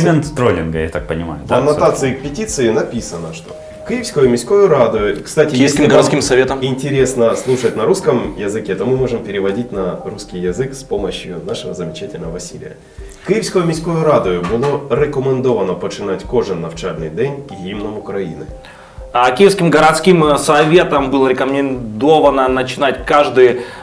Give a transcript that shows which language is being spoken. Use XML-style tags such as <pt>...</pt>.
<uk>Це елемент тролінгу, я так розумію. В аннотації петиції написано, що... Киевскую міською радою.</uk> <ru>Кстати, Киевским советом. Интересно слушать на русском языке, то мы можем переводить на русский язык с помощью нашего замечательного Василия.</ru> <uk>Киевскую міською радою було рекомендовано починати кожен навчальний день гімном України.</uk> <ru>А Киевским городским советом было рекомендовано начинать каждый</ru>